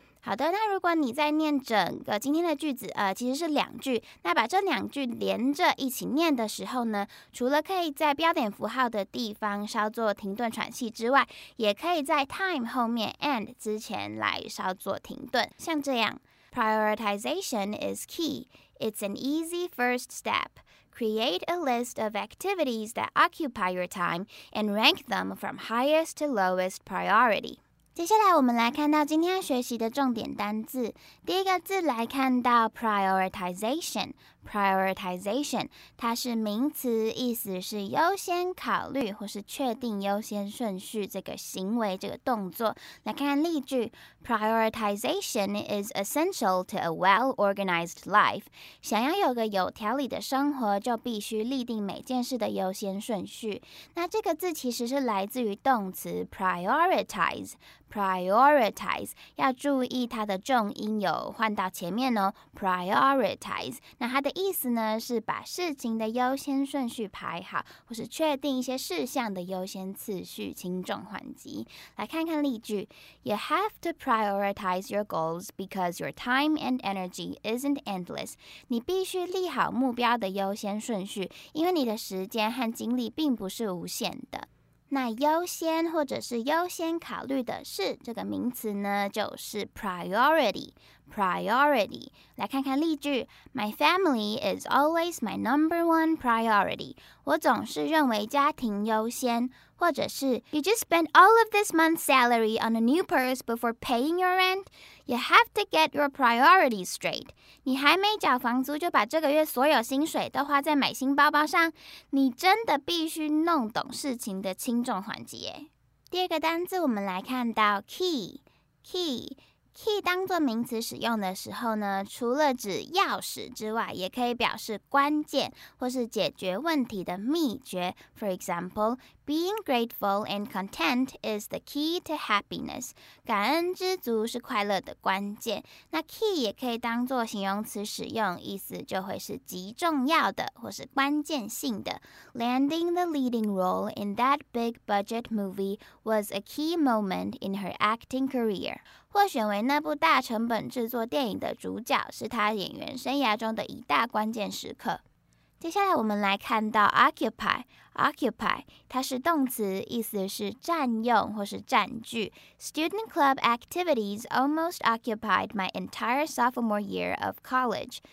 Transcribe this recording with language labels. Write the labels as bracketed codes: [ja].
[zh] 好的，那如果你在念整个今天的句子，其实是两句，那把这两句连着一起念的时候呢，除了可以在标点符号的地方稍作停顿喘气之外，也可以在 time 后面 and 之前来稍作停顿，像这样。 [en] Prioritization is key. It's an easy first step. Create a list of activities that occupy your time and rank them from highest to lowest priority. [zh] 接下来我们来看到今天要学习的重点单字。第一个字来看到 prioritization， prioritization 它是名词，意思是优先考虑或是确定优先顺序这个行为，这个动作。来看例句， [en] prioritization is essential to a well-organized life， [zh] 想要有个有条理的生活就必须立定每件事的优先顺序。那这个字其实是来自于动词 prioritizeprioritize， 要注意它的重音有换到前面哦。 prioritize， 那它的意思呢是把事情的优先顺序排好，或是确定一些事项的优先次序，轻重缓急。 [en] 来看看例句， You have to prioritize your goals because your time and energy isn't endless. [zh] 你必须立好目标的优先顺序，因为你的时间和精力并不是无限的。那优先或者是优先考虑的是这个名词呢，就是 priority。 [en] priority， [zh] 来看看例句 [en] ，My family is always my number one priority。 [zh] 我总是认为家庭优先，或者是 [en] You just spent all of this month's salary on a new purse before paying your rent. You have to get your priorities straight。 [zh] 你还没缴房租就把这个月所有薪水都花在买新包包上，你真的必须弄懂事情的轻重缓急。第二个单字，我们来看到 key。Key 当作名词使用的时候呢，除了指钥匙之外，也可以表示关键或是解决问题的秘诀。 [en] For example, being grateful and content is the key to happiness. [zh] 感恩知足是快乐的关键。那 key 也可以当作形容词使用，意思就会是极重要的或是关键性的。 [en] Landing the leading role in that big budget movie was a key moment in her acting career. [zh] 获选为那部大成本制作电影的主角，是他演员生涯中的一大关键时刻。接下来我们来看到 occupy。 Occupy 它是动词，意思是占用或是占据。 [en] Student club activities almost occupied my entire sophomore year of college.